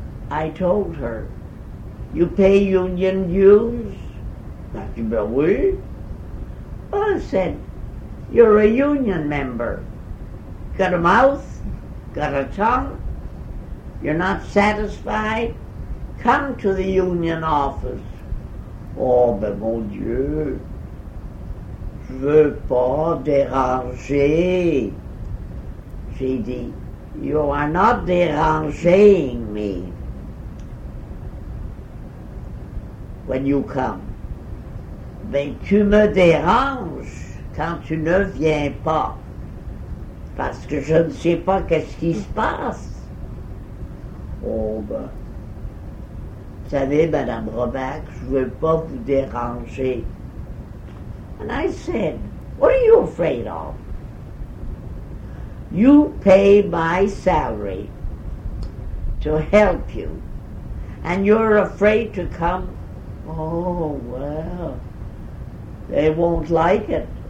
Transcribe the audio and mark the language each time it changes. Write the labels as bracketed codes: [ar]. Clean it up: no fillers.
[en] I told her, you pay union dues? That you be we? Well, I said, you're a union member. Got a mouth? Got a tongue? You're not satisfied? Come to the union office. Oh, but [fr] mon Dieu, je veux pas déranger. [en] She said, you are not deranging me when you come. [fr] Mais tu me déranges quand tu ne viens pas. Parce que je ne sais pas qu'est-ce qui se passe. Oh, ben. Vous savez, Madame Robach, je ne veux pas vous déranger. [en] And I said, what are you afraid of? You pay my salary to help you, and you're afraid to come. Oh, well, they won't like it.